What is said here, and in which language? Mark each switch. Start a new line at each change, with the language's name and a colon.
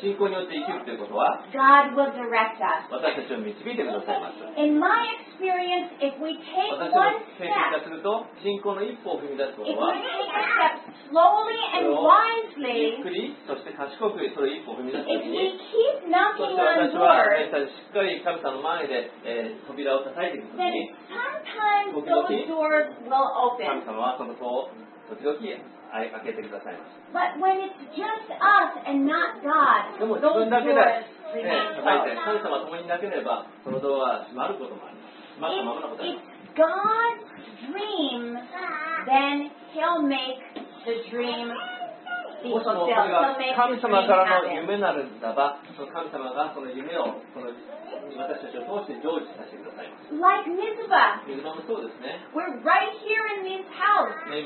Japanese: 信仰によって生きるということは
English: God will direct us.
Japanese: 私たちを導いてくださいます。
English: In my experience, if we take
Japanese: 私の経験からすると信仰の一歩を踏み出すことは
English: if we take a step slowly and wisely,
Japanese: ゆっくりそして賢くその一歩を踏み出すときに
English: if we keep knocking on doors,
Japanese: そして私はしっかり神様の前で、扉を叩いていくときに
English: sometimes those doors will open.
Japanese: 神様はそのこう時々開けてくださいます。
English: But when it's just us and not God, those doors remain closed.
Japanese: でも自分だけで、ね、神様ともになければそのドアは閉まることもあります。閉まったままのことです。
English: If God's dream, then He'll make the dream be fulfilled.
Japanese: もしも神様からの夢なるならば、その神様がその夢をこの
English: Like Mizpah, we're right here in this house.